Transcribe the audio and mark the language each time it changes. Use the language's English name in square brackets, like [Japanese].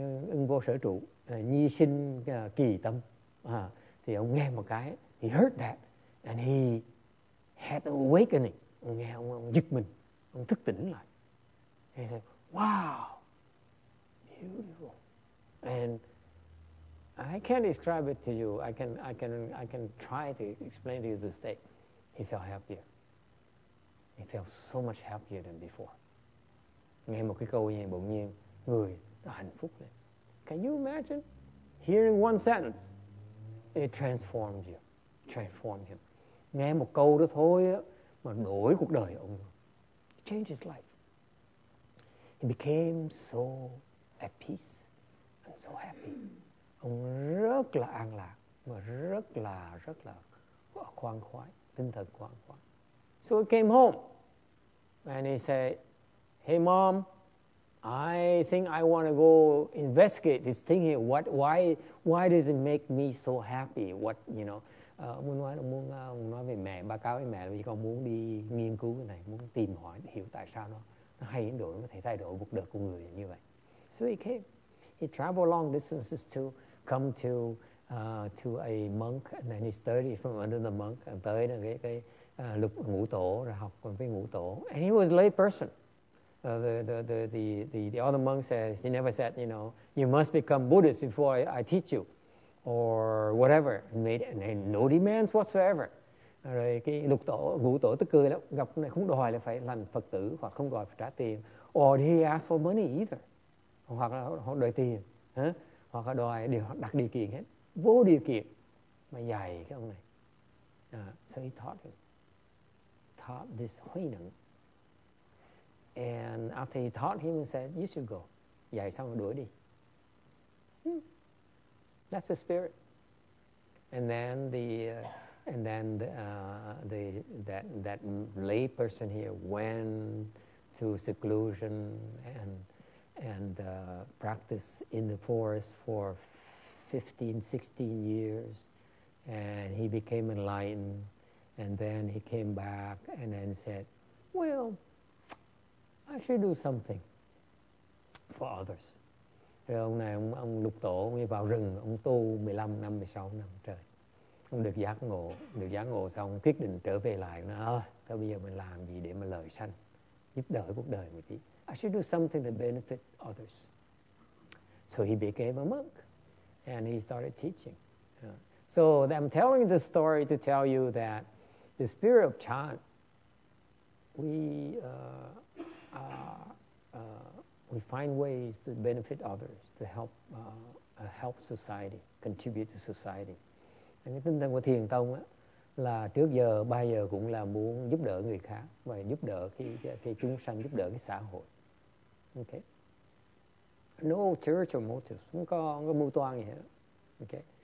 [Vietnamese] Ưng vô sở trụ, nhi sinh kỳ tâm. Thì ông nghe một cái, [English] he heard that, and he had an awakening. [Vietnamese] Ông nghe, ông giật mình, ông thức tỉnh lại. [English] He said, "Wow, beautiful." And I can't describe it to you. I can try to explain to you the state. He felt happier. He felt so much happier than before. [Vietnamese] Nghe một cái câu như vậy, bỗng nhiên người nó hạnh phúc lên. [English] Can you imagine hearing one sentence? It transformed you. Transformed him. [Vietnamese] Nghe một câu đó thôi mà đổi cuộc đời ông. [English] It changed his life. He became so at peace and so happy. [Vietnamese] Ông rất là an lạc và rất là khoan khoái, tinh thần khoan khoái. [English] So he came home and he said, "Hey mom, I think I want to go investigate this thing here. What? Why does it make me so happy? What, you know?" [Vietnamese] Muốn nói về mẹ, báo cáo với mẹ là vì con muốn đi nghiên cứu cái này, muốn tìm hỏi hiểu tại sao nó hay đến độ nó có thể thay đổi cuộc đời của người như vậy. [English] So he came. He traveled long distances to come to a monk, and then he studied from under the monk, and [Vietnamese] tới là cái ngũ tổ, [English] rồi học với ngũ tổ. And he was a lay person. The other monk says, he never said, you know, "You must become Buddhist before I teach you," or whatever. And no demands whatsoever. [Vietnamese] Rồi cái lục tổ, ngũ tổ tức cười lắm, gặp này không đòi là phải làm Phật tử hoặc không đòi phải trả tiền. [English] Or did he ask for money either? [Vietnamese] Hoặc là họ đòi tiền, hoặc là đòi điều đặt điều kiện hết, vô điều kiện mà dạy cái ông này. [English] So he taught this Huy Nung, and after he taught him, he said, "You should go." [Vietnamese] Dạy xong rồi đuổi đi. [English] That's the spirit. And then the And then that lay person here went to seclusion and practice in the forest for 15, 16 years, and he became enlightened, and then he came back and then said, well, I should do something for others. [Vietnamese] Rồi ông này, ông lục tổ, ông vào rừng, ông tu 15 năm, 16 năm trời. Ông được giác ngộ xong, quyết định trở về lại, nói, ơ, thôi bây giờ mình làm gì để mà lời sanh, giúp đỡ cuộc đời một tí. [English] I should do something to benefit others. So he became a monk, and he started teaching. So I'm telling this story to tell you that the spirit of chant, we find ways to benefit others, to help help society, contribute to society. [Vietnamese] Và cái tinh thần của Thiền Tông á, là trước giờ, bao giờ cũng là muốn giúp đỡ người khác và giúp đỡ cái chúng sanh, giúp đỡ cái xã hội. Okay. [English] No territorial motives, [Vietnamese] không có mưu toan gì hết. Okay.